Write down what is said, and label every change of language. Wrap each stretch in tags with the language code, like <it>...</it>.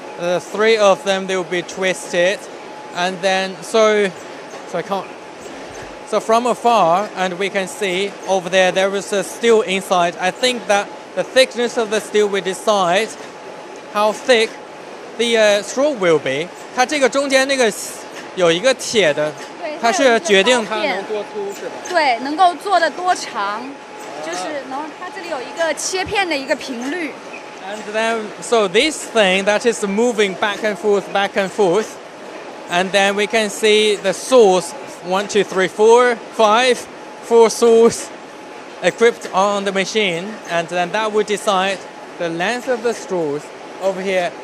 <en>The three of them, they will be twisted. And then, so from afar, and we can see over there, there is a steel inside. I think that the thickness of the steel will decide how thick the straw will be.</en> <zh>它这个中间那个有一个铁的，它是决定它能多粗是吧？对，能够做的多长。就是，然后它这里有一个切片的一个频率。</zh> <en>And then, so this thing that is moving back and forth, and then we can see the saws, 1, 2, 3, 4, 5, four saws equipped on the machine, and then that would decide the length of the straws over here.</en>